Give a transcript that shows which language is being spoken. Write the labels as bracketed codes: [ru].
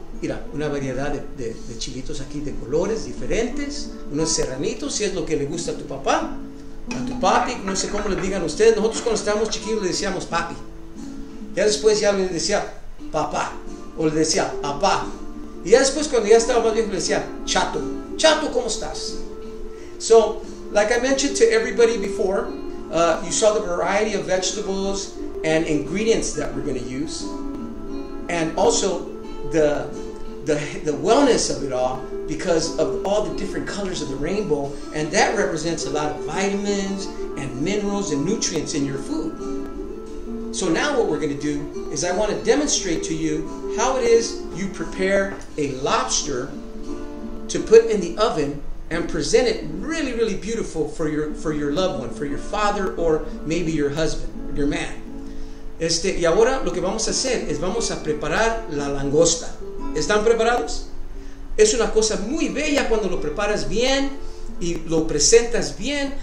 [es] Mira, una variedad de chilitos aquí de colores diferentes, unos serranitos, si es lo que le gusta a tu papá, a tu papi, no sé cómo le digan ustedes. Nosotros cuando estábamos chiquillos le decíamos papi, ya después ya le decía papá, o le decía papá, y ya después cuando ya estaba más viejo le decía chato, ¿cómo estás? [en] So, like I mentioned to everybody before, you saw the variety of vegetables and ingredients that we're going to use, and also the wellness of it all, because of all the different colors of the rainbow, and that represents a lot of vitamins and minerals and nutrients in your food. So now what we're going to do is I want to demonstrate to you how it is you prepare a lobster to put in the oven and present it really, really beautiful for your loved one, for your father or maybe your husband, your man. [es] Y ahora lo que vamos a hacer es vamos a preparar la langosta. ¿Están preparados? Es una cosa muy bella cuando lo preparas bien y lo presentas bien.